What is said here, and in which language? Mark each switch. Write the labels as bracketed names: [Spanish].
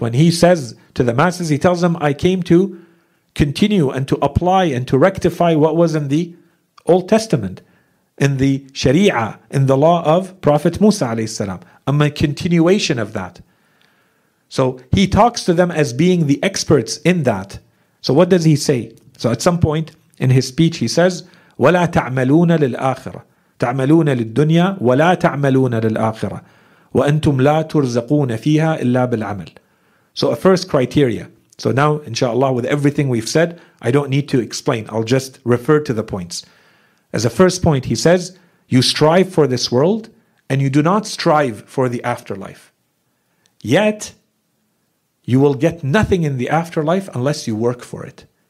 [English] When he says to the masses, he tells them, I came to continue and to apply and to rectify what was in the Old Testament, in the Sharia, in the law of Prophet Musa alayhi salam. I'm a continuation of that. So he talks to them as being the experts in that. So what does he say? So at some point in his speech he says, [Arabic] وَلَا تَعْمَلُونَ لِلْآخِرَةِ تعملون للدنيا ولا تعملون للآخرة وأنتم لا ترزقون فيها إلا بالعمل. [English] So a first criteria. So now, inshallah, with everything we've said, I don't need to explain. I'll just refer to the points. As a first point, he says, you strive for this world and you do not strive for the afterlife. Yet, you will get nothing in the afterlife unless you work for it.